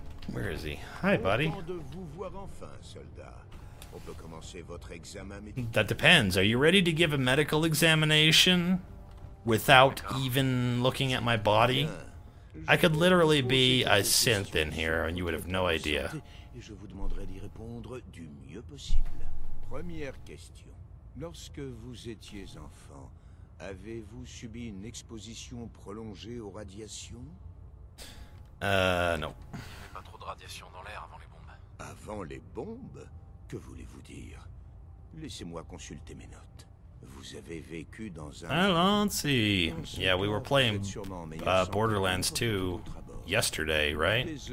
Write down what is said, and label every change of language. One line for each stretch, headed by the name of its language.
English: Where is he? Hi, buddy. That depends. Are you ready to give a medical examination without even looking at my body? I could literally be a synth in here and you would have no idea.
French: Je vous demanderai d'y répondre du mieux possible. Première question. Lorsque vous étiez enfant, avez-vous subi une exposition prolongée aux radiations? Non. Pas trop de radiation dans l'air avant les bombes. Avant les bombes? Que voulez-vous dire? Laissez-moi consulter mes notes. Vous avez vécu dans un... Allons-y!
English: Yeah, we were playing Borderlands 2 yesterday, right?